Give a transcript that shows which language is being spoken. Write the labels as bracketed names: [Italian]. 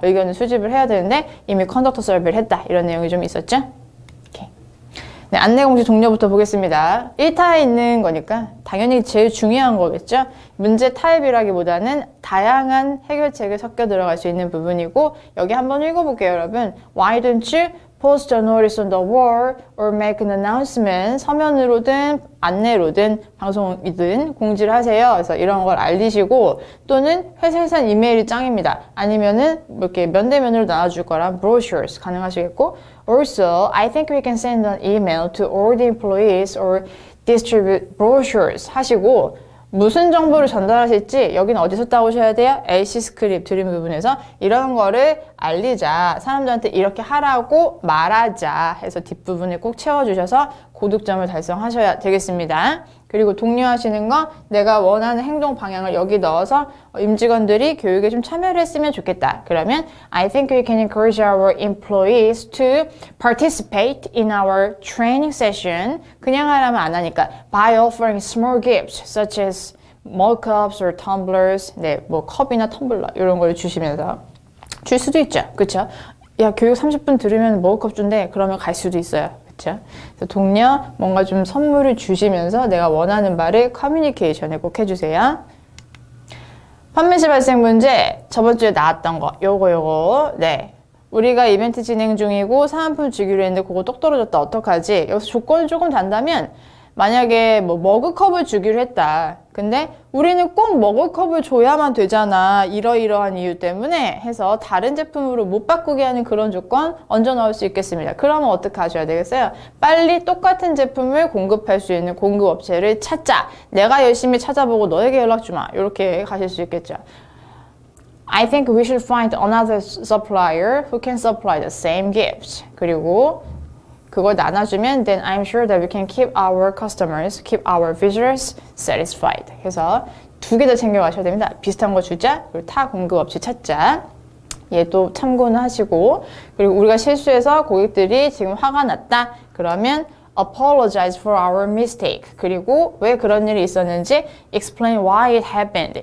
[Korean] 의견을 수집을 해야 되는데 이미 컨덕터 서비스를 했다. 이런 내용이 좀 있었죠? 네, 안내 공지 동료부터 보겠습니다. 1타에 있는 거니까 당연히 제일 중요한 거겠죠. 문제 타입이라기보다는 다양한 해결책을 섞여 들어갈 수 있는 부분이고 여기 한번 읽어볼게요 여러분. [English] Why don't you post a notice on the wall or make an announcement? [Korean] 서면으로든 안내로든 방송이든 공지를 하세요. 그래서 이런 걸 알리시고 또는 회사에선 이메일이 짱입니다. 아니면은 이렇게 면대면으로 나눠줄 거란 [English] brochures [Korean] 가능하시겠고 [English] Also, I think we can send an email to all the employees or distribute brochures [Korean] 하시고 무슨 정보를 전달하실지 여긴 어디서 따오셔야 돼요? AC 스크립 드림 부분에서 이런 거를 알리자 사람들한테 이렇게 하라고 말하자 해서 뒷부분에 꼭 채워주셔서 고득점을 달성하셔야 되겠습니다. 그리고 독려하시는 거 내가 원하는 행동 방향을 여기 넣어서 임직원들이 교육에 좀 참여를 했으면 좋겠다. 그러면 [English] I think we can encourage our employees to participate in our training session. [Korean] 그냥 하라면 안 하니까 [English] by offering small gifts such as mug cups or tumblers. [Korean] 네, 뭐 컵이나 텀블러 이런 걸 주시면서 줄 수도 있죠. 그렇죠? 야, 교육 30분 들으면 머그컵 준대. 그러면 갈 수도 있어요. 그렇죠? 동료 뭔가 좀 선물을 주시면서 내가 원하는 바를 커뮤니케이션에 꼭 해주세요. 판매실 발생 문제 저번 주에 나왔던 거 요거 네 우리가 이벤트 진행 중이고 사은품 주기로 했는데 그거 똑 떨어졌다 어떡하지? 여기서 조건이 조금 단다면 만약에 뭐 머그컵을 주기로 했다. 근데 우리는 꼭 머그컵을 줘야만 되잖아. 이러이러한 이유 때문에 해서 다른 제품으로 못 바꾸게 하는 그런 조건 얹어 넣을 수 있겠습니다. 그러면 어떻게 하셔야 되겠어요? 빨리 똑같은 제품을 공급할 수 있는 공급업체를 찾자. 내가 열심히 찾아보고 너에게 연락 주마. 이렇게 가실 수 있겠죠. [English] I think we should find another supplier who can supply the same gift. [Korean] 그리고 그걸 나눠주면 [English] then I'm sure that we can keep our customers, keep our visitors satisfied. [Korean] 그래서 두 개 다 챙겨가셔야 됩니다. 비슷한 거 주자, 그리고 타 공급업체 찾자. 얘도 참고는 하시고 그리고 우리가 실수해서 고객들이 지금 화가 났다. 그러면 [English] apologize for our mistake. [Korean] 그리고 왜 그런 일이 있었는지 [English] explain why it happened.